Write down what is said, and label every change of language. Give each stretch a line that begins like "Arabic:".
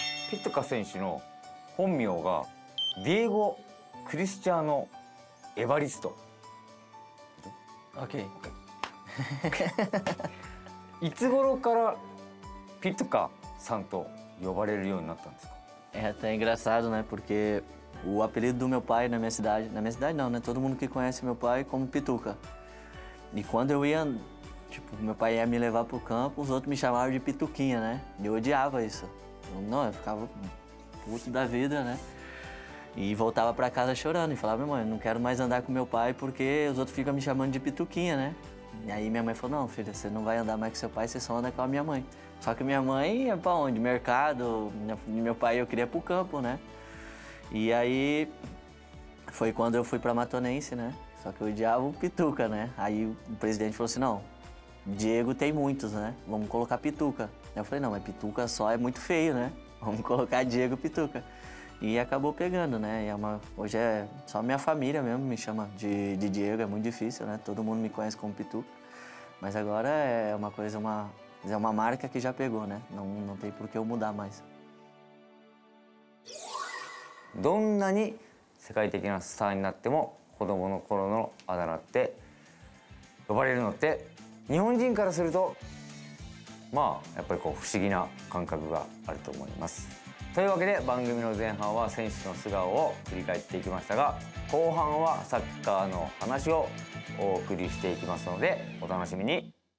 Japanese: ピトカ選手の本名がディエゴ・クリスチャーノ・エバリスト。 OK いつ頃からピトカさんと呼ばれるようになったんですか？
Portuguese: É até engraçado, né? Porque o apelido do meu pai na minha cidade, não, né? Todo mundo que conhece meu pai como Pituca. E quando eu ia, tipo, meu pai ia me levar pro campo, os outros me chamavam de Pituquinha, né? E eu odiava isso. Eu, não, eu ficava puto da vida, né? E voltava pra casa chorando e falava, mãe, não quero mais andar com meu pai porque os outros ficam me chamando de Pituquinha, né? E aí minha mãe falou, não, filha, você não vai andar mais com seu pai, você só anda com a minha mãe. Só que minha mãe ia pra onde? Mercado, meu pai, eu queria ir pro campo, né? E aí foi quando eu fui pra Matonense, né? Só que eu odiava o Pituca, né? Aí o presidente falou assim, não, Diego tem muitos, né? Vamos colocar Pituca. Eu falei, não, mas Pituca só é muito feio, né? Vamos colocar Diego Pituca. E acabou pegando, né? E é uma, hoje é só minha família mesmo me chama de Diego, é muito difícil, né? Todo mundo me conhece como Pituca. Mas agora é uma coisa, uma... É uma marca que já pegou, né? Não tem por que eu mudar mais.
Japanese: どんなに世界的なスターになっても子供の頃のあだ名って呼ばれるのって日本人からするとまあやっぱりこう不思議な感覚があると思います。というわけで番組の前半は選手の素顔を振り返っていきましたが、後半はサッカーの話をお送りしていきますのでお楽しみに。